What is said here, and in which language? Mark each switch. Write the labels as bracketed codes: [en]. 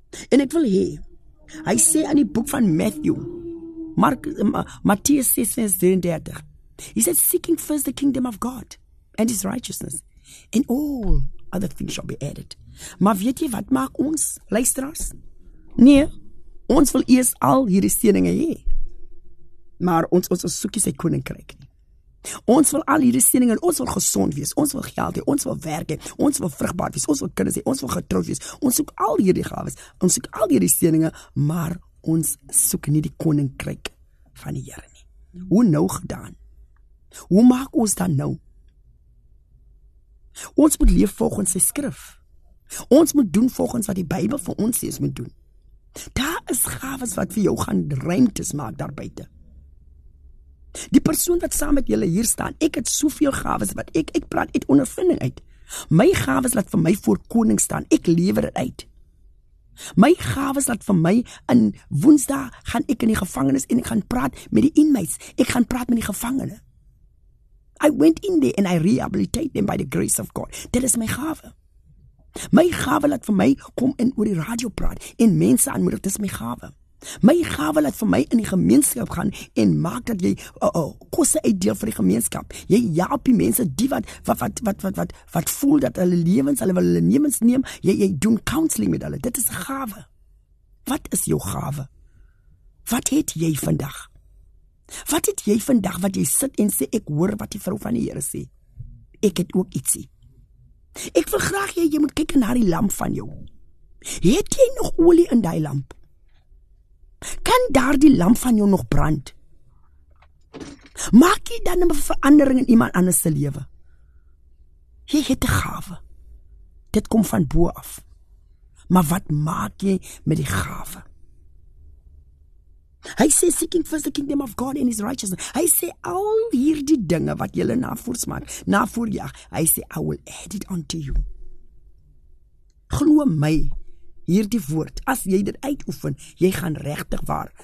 [af] En ek wil hê, hy sê in die boek van Matteus 6:33, [en] he said, seeking first the kingdom of God and his righteousness, and all other things shall be added. [af] Maar weet jy wat maak ons, luisteraars? Nee, ons wil eers al hierdie seëninge hê. Maar ons soekie sy koninkryk. Ons wil al hierdie seëninge, ons wil gesond wees, ons wil geld hê, ons wil werk hê, ons wil vrugbaar wees, ons wil kinders hê, ons wil getroud wees. Ons soek al hierdie gawes, ons soek al hierdie seëninge, maar ons soek nie die koninkryk van die Here nie. Hoe nou gedaan? Hoe maak ons dan nou? Ons moet leef volgens sy skrif. Ons moet doen volgens wat die Bybel vir ons sê ons moet doen. Daar is gawes wat vir jou gaan ruimtes maak daar buite. Die persoon wat saam met julle hier staan, ek het soveel gawes wat ek praat uit ondervinding uit. My gawes laat vir my voor koning staan, ek lewer dit uit. My gawes laat vir my in Woensdag gaan ek in die gevangenis en ek gaan praat met die inmates, ek gaan praat met die gevangene. [en] I went in there and I rehabilitated them by the grace of God. [af] Dit is my gawe. My gawe laat vir my kom in oor die radio praat en mense aanmoedig, dit is my gawe. My gawe laat vir my in die gemeenskap gaan en maak dat jy kosse uitdeel vir die gemeenskap. Jy help die mense die wat voel dat hulle lewens, hulle wil hulle lewens neem. Jy doen counseling met hulle. Dit is 'n gawe. Wat is jou gawe? Wat het jy vandag? Wat het jy vandag wat jy sit en sê ek hoor wat die vrou van die Here sê? Ek het ook ietsie. Ek wil graag jy moet kyk na die lamp van jou. Het jy nog olie in daai lamp? Kan daar die lamp van jou nog brand? Maak jy dan 'n verandering in iemand anders se lewe? Jy het 'n gawe. Dit kom van bo af. Maar wat maak jy met die gawe? Hy sê, [en] seeking first the kingdom of God and his righteousness. [af] Hy sê, al hierdie dinge wat jy navoors maak, navoorjag, hy sê, [en] I will add it unto you. [af] Glo my. Hierdie woord, as jy dit uitoefen, jy gaan regtig waar.